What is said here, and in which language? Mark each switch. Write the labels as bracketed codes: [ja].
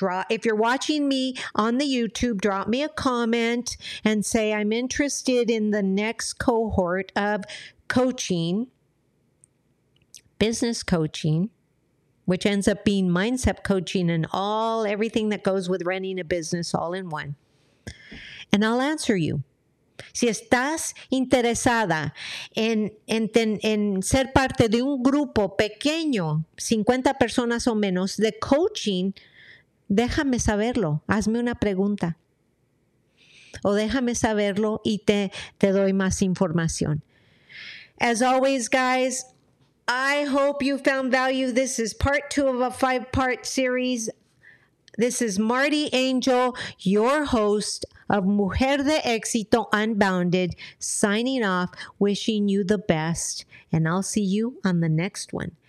[en] If you're watching me on the YouTube, drop me a comment and say, I'm interested in the next cohort of coaching, business coaching, which ends up being mindset coaching and all everything that goes with running a business all in one. And I'll answer you. [es] Si estás interesada en ser parte de un grupo pequeño, 50 personas o menos, de coaching, déjame saberlo. Hazme una pregunta. O déjame saberlo y te doy más información. [en] As always, guys, I hope you found value. This is part two of a 5-part series. This is Marty Angel, your host of Mujer de Éxito Unbounded, signing off, wishing you the best, and I'll see you on the next one.